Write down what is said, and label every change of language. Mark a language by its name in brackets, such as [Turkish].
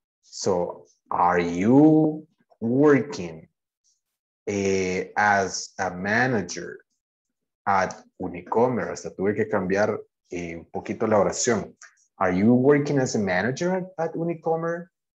[English] So, are you working as a manager at Unicomer? [Spanish] Hasta tuve que cambiar un poquito la oración. [English] Are you working as a manager at Unicomer?